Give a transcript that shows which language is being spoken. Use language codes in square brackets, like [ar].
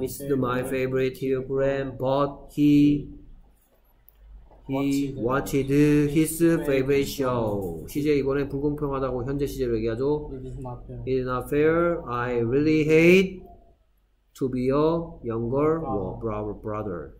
[en] my favorite TV program, but he watched his favorite show. [ko] 시제 이번에 불공평하다고 현재 시제로 얘기하죠. [en] It is not fair. I really hate to be a younger brother.